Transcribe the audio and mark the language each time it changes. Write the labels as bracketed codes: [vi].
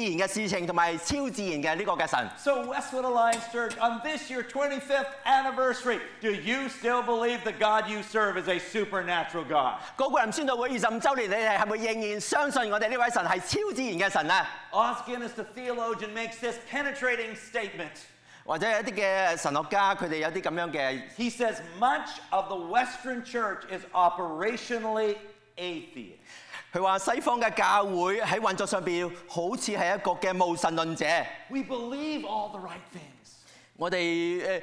[zh] 我們的宣道會是絕對相信這個超自然的事情和超自然的這個神。 [en] So Westwood Alliance Church, on this year 25th anniversary, do you still believe the God you serve is a supernatural God? [zh] 高國林宣道會25周年，你們是不是仍然相信我們這位神是超自然的神呢？ [en] Oz Guinness, the theologian, makes this penetrating statement. [zh] 或者有些神學家, [en] he says, much of the Western church is operationally atheist. We believe all the right things.